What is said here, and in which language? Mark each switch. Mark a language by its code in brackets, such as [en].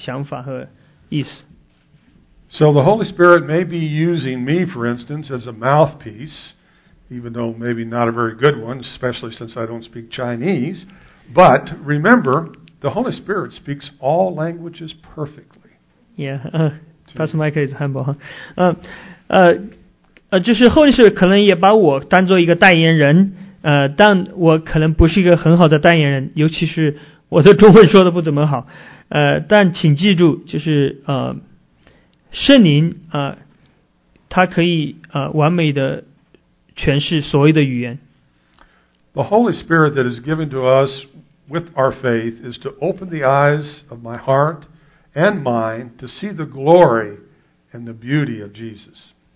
[zh] 的确，他在圣经中通过他的使徒在教导我们，但只有圣灵才能真正教导他的对我们的那个想法和意思。So [en] the Holy Spirit may be using me, for instance, as a mouthpiece, even though maybe not a very good one, especially since I don't speak Chinese. But remember, the Holy Spirit speaks all languages perfectly. Pastor Michael is humble, huh? [zh] 就是后世可能也把我当做一个代言人，但我可能不是一个很好的代言人，尤其是我的中文说的不怎么好。但请记住，就是圣灵，他可以完美的诠释所有的语言。 [en] The Holy Spirit that is given to us with our faith is to open the eyes of my heart and mind to see the glory and the beauty of Jesus.